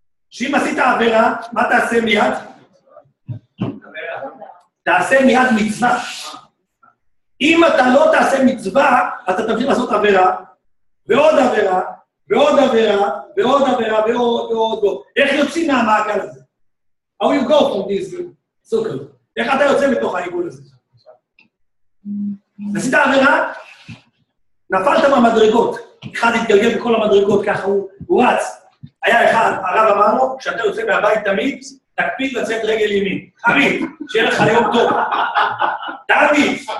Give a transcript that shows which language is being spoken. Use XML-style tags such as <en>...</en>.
<he>שאם עשית עבירה, מה תעשה מיד? תעשה מיד מצווה. אם אתה לא תעשה מצווה, אתה תמשיך לעשות עבירה, ועוד עבירה, ועוד עבירה, ועוד עבירה, ועוד ועוד ועוד. איך יוצאים מהמעגל הזה?</he> <en>How you go from this circle?</en> <he>איך אתה יוצא מתוך העיגול הזה? עשית עבירה? נפלת במדרגות. אחד התגלגל בכל המדרגות, ככה הוא רץ. היה אחד, הרב אמר לו, כשאתה יוצא מהבית תמיד, תקפיד לצאת רגל ימין. תמיד, שיהיה לך יום טוב. תמיד.</he>